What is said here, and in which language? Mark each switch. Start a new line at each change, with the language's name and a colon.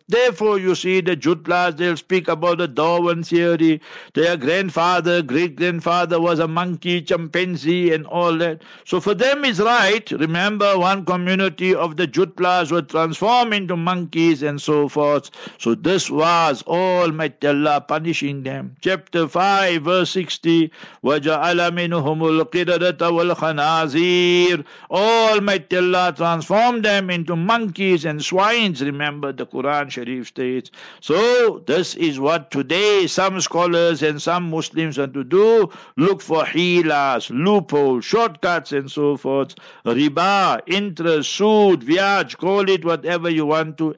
English: Therefore you see the Jutlas, they'll speak about the Darwin theory. Their grandfather, great-grandfather was a monkey, chimpanzee and all that. So for them it's right. Remember, one community of the Jutlas were transformed into monkeys and so forth. So this was Almighty Allah punishing them. Chapter 5, verse 60,
Arabic: وَجَعَلَ مِنْهُمُ الْقِرَدَةَ وَالْخَنَازِيرَ.
English: Almighty Allah transformed them into monkeys and swines. Remember, the Quran Sharif states. So this is what today some scholars and some Muslims want to do. Look for hilas, loopholes, shortcuts and so forth. Riba, interest, sood, viaj, call it whatever you want to.